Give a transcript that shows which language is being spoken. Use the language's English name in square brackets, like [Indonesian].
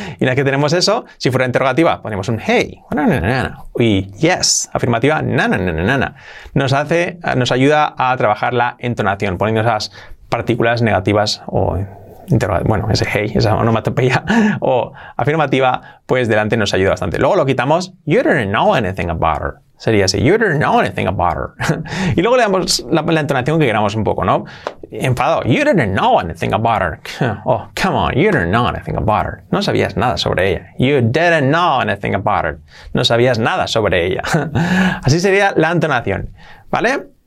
[Spanish] Y una vez que tenemos eso, si fuera interrogativa, ponemos un hey. Y yes, afirmativa, na. Nos ayuda a trabajar la entonación, poniendo esas partículas negativas o interrogativas. Bueno, ese hey, esa onomatopeya o afirmativa, pues delante nos ayuda bastante. Luego lo quitamos. [English] You didn't know anything about her. [Spanish] Sería así. [English] You didn't know anything about her. [Spanish] Y luego le damos la entonación que queramos un poco, ¿no? [English] Enfado. You didn't know anything about her. Oh, come on. You didn't know anything about her. [Spanish] No sabías nada sobre ella. [English] You didn't know anything about her. [Spanish] No sabías nada sobre ella. Así sería la entonación. ¿Vale?